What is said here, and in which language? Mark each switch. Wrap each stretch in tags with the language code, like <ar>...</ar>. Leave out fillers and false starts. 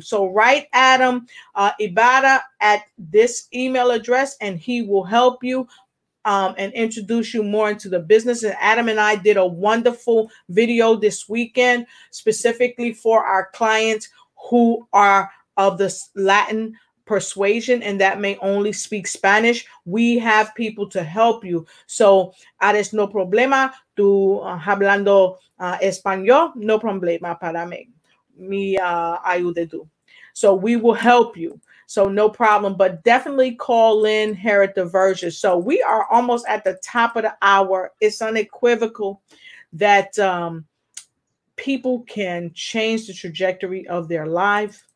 <en>So write Adam Ibarra at this email address, and he will help you and introduce you more into the business. And Adam and I did a wonderful video this weekend, specifically for our clients who are of the Latin persuasion and that may only speak Spanish. We have people to help you.</en> <es>So, eres no problema tu hablando español, no problema para mí. Mi ayuda tú.</es> <en>So, we will help you. So no problem, but definitely call in Herod Diversion. So we are almost at the top of the hour. It's unequivocal that people can change the trajectory of their life.</en>